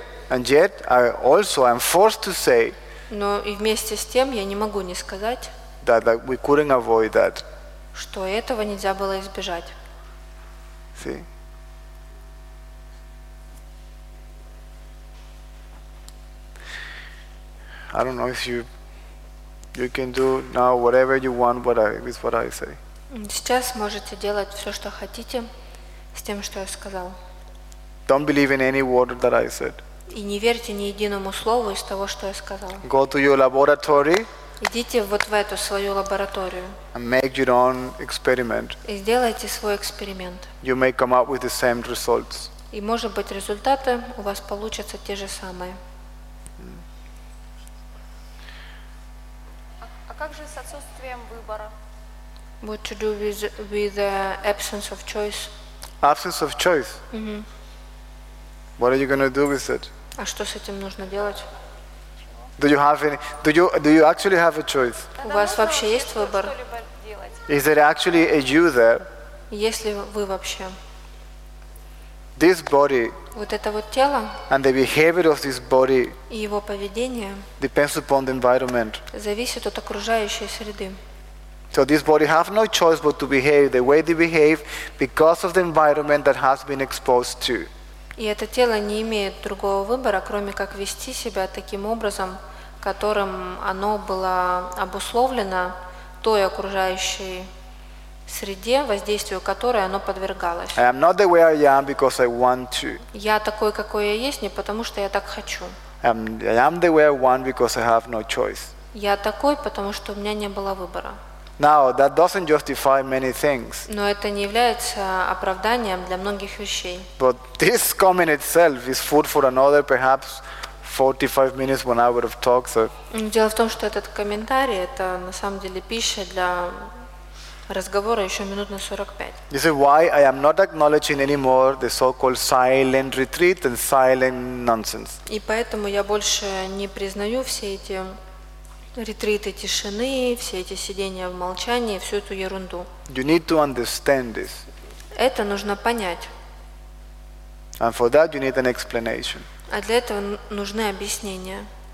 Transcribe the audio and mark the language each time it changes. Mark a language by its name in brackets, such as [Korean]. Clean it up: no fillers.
[English] And yet, I also am forced to say. [Russian] Но и вместе с тем я не могу не сказать. [English] That we couldn't avoid that. [Russian] Что этого нельзя было избежать. [English] See? I don't know if you can do now whatever you want, with what I say. [Russian] Сейчас можете делать все, что хотите, с тем, что я сказал. [English] Don't believe in any word that I said. [Russian] И не верьте ни единому слову из того, что я сказал. [English] Go to your laboratory. [Russian] Идите вот в эту свою лабораторию. [English] And make your own experiment. [Russian] И сделайте свой эксперимент. [English] You may come up with the same results. [Russian] И может быть результаты у вас получатся те же самые. Как же с отсутствием выбора? [English] What to do with the absence of choice? Absence of choice? Mm-hmm. What are you going to do with it? [Russian] А что с этим нужно делать? [English] Do you actually have a choice? [Russian] У вас вообще есть выбор? [English] Is there actually a you there? [Russian] Есть ли вы вообще? [English] This body. [Russian] Вот это вот тело. [English] And the behavior of this body. [Russian] И его поведение. [English] Depends upon the environment. [Russian] Зависит от окружающей среды. [English] So this body have no choice but to behave the way they behave because of the environment that has been exposed to. [Russian] И это тело не имеет другого выбора, кроме как вести себя таким образом, которым оно было обусловлено той окружающей среде, воздействию которой оно подвергалось. [English] I am not the way I am because I want to. [Russian] Я такой, какой я есть, не потому что я так хочу. [English] I am the way I want because I have no choice. [Russian] Я такой, потому что у меня не было выбора. [English] Now, that doesn't justify many things. [Russian] Но это не является оправданием для многих вещей. [English] But this comment itself is food for another, perhaps, 45 minutes, 1 hour of talk. So. [Russian] Дело в том, что этот комментарий, это на самом деле пища для разговора еще минут на 45. [English] You see, why I am not acknowledging anymore the so-called silent retreat and silent nonsense. [Russian] И поэтому я больше не признаю все эти ретриты тишины, все эти сидения в молчании, всю эту ерунду. [English] You need to understand this. [Russian] Это нужно понять. [English] And for that you need an explanation. [Russian] А для этого нужны объяснения.